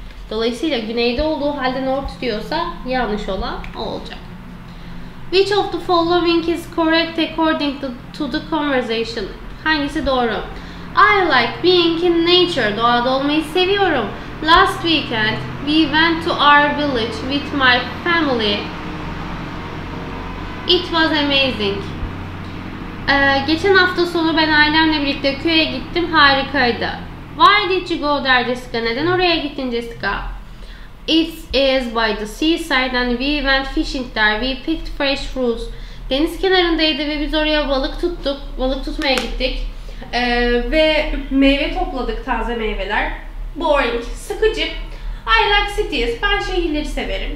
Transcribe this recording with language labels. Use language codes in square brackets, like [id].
[tr] Dolayısıyla güneyde olduğu halde north diyorsa yanlış olan o olacak. [en] Which of the following is correct according to the conversation? [tr] Hangisi doğru? [en] I like being in nature. [tr] Doğada olmayı seviyorum. [en] Last weekend we went to our village with my family. It was amazing. [tr] Geçen hafta sonu ben ailemle birlikte köye gittim. Harikaydı. [en] Why did you go there, Jessica? [tr] Neden oraya gittin, Jessica? [en] It is by the seaside and we went fishing there. We picked fresh fruits. [tr] Deniz kenarındaydı ve biz oraya balık tuttuk. Balık tutmaya gittik. Ve meyve topladık, taze meyveler. [en] Boring, [tr] sıkıcı. [en] I like cities. [tr] Ben şehirleri severim.